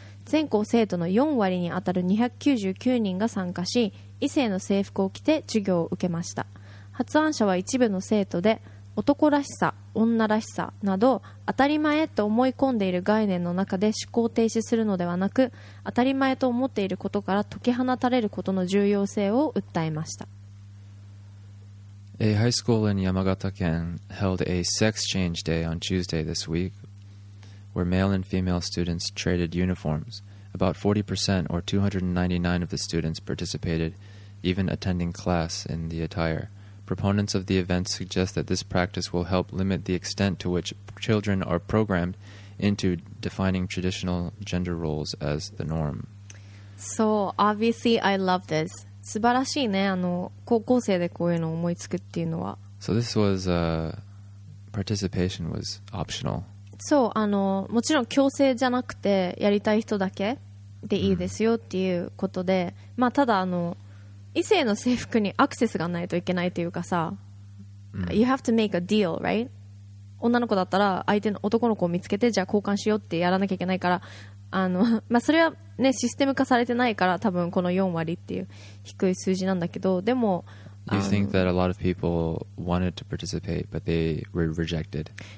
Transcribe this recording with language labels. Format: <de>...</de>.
<ja>全校生徒の4割にあたる299人が参加し、異性の制服を着て授業を受けました。発案者は一部の生徒で、男らしさ、女らしさなど当たり前と思い込んでいる概念の中で思考停止するのではなく、当たり前と思っていることから解き放たれることの重要性を訴えました。</ja> <en>A high school in Yamagata-ken held a sex change day on Tuesday this week, where male and female students traded uniforms. About 40% or 299 of the students participated, even attending class in the attire. Proponents of the event suggest that this practice will help limit the extent to which children are programmed into defining traditional gender roles as the norm. So, obviously, I love this.</en> <ja>素晴らしいね、あの高校生でこういうのを思いつくっていうのは。</ja> <en>So this was, participation was optional.</en> <ja>そう、あのもちろん強制じゃなくてやりたい人だけでいいですよっていうことで、mm. まあただあの異性の制服にアクセスがないといけないというかさ、mm.</ja> <en>You have to make a deal, right?</en> <ja>女の子だったら相手の男の子を見つけて、じゃあ交換しようってやらなきゃいけないから、あのまあ、それは、ね、システム化されてないから多分この4割っていう低い数字なんだけど、でも</ja> <en>Do you think that a lot of people wanted to participate but they were rejected?</en>